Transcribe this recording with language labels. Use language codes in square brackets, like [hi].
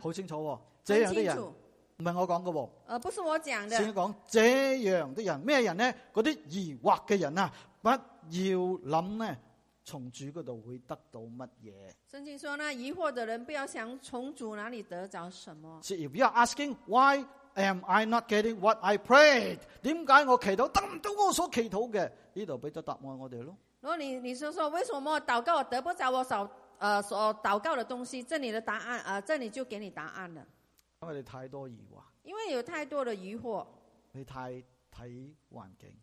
[zh] 好清楚，这样的人不是我讲的，不是我讲的。先讲这样的人，什么人呢？那些疑惑的人啊，不要想呢从主那里会得到什么。圣经说呢，疑惑的人不要想从主哪里得着什么。 [en] So if you are asking, why am I not getting what I prayed? [zh] 为什么我祈祷得不到我所祈祷的？这里给了答案我们。如果 你说说为什么祷告我得不着我 所祷告的东西，这里的答案这里就给你答案了。因为你太多疑惑，因为有太多的疑惑，你太看环境，